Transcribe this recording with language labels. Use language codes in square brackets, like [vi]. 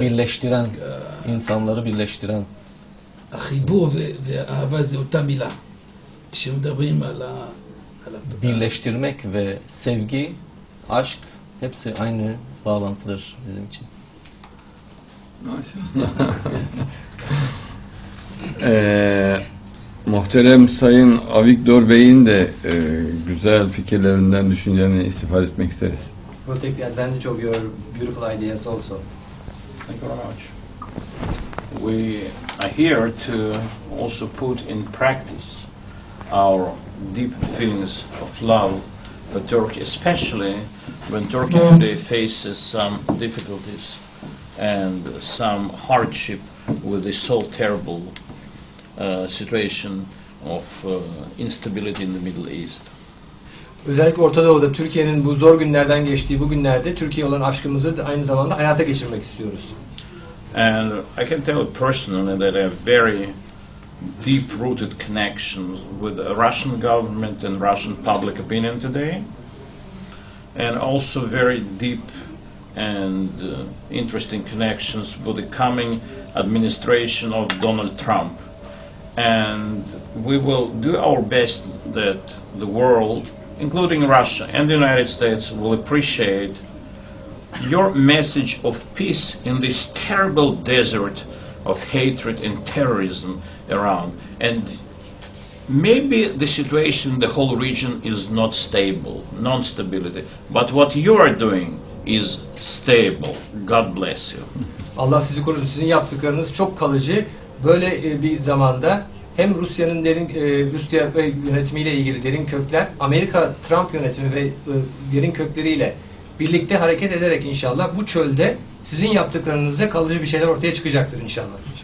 [tr] birleştiren insanları birleştiren [he] החיבור ואהבה זה אותה מילה. כשמדברים על [tr] birleştirmek ve sevgi aşk hepsi aynı bağlantıdır bizim için. Maşallah. muhterem Sayın Avigdor Bey'in de güzel fikirlerinden, düşüncelerinden istifade etmek isteriz. [en] Well, take the advantage of your beautiful ideas also. Thank you very much. we are here to also put in practice our deep feelings of love for Turkey, especially when Turkey today faces some difficulties and some hardship with this so terrible situation of instability in the Middle East. [tr] Özellikle Orta Doğu'da Türkiye'nin bu zor günlerden geçtiği bu günlerde Türkiye'ye olan aşkımızı aynı zamanda hayata geçirmek istiyoruz. [en] And I can tell personally that I have very deep-rooted connections with the Russian government and Russian public opinion today, and also very deep and interesting connections with the coming administration of Donald Trump. And we will do our best that the world, including Russia and the United States, will appreciate your message of peace in this terrible desert of hatred and terrorism around. And maybe the situation in the whole region is not stable, non-stability, but what you are doing is stable. God bless you. [tr] Allah sizi korusun. Sizin yaptıklarınız çok kalıcı. Böyle bir zamanda hem Rusya'nın derin Rusya ve yönetimiyle ilgili derin kökler, Amerika Trump yönetimi ve derin kökleriyle birlikte hareket ederek inşallah bu çölde sizin yaptıklarınızda kalıcı bir şeyler ortaya çıkacaktır inşallah.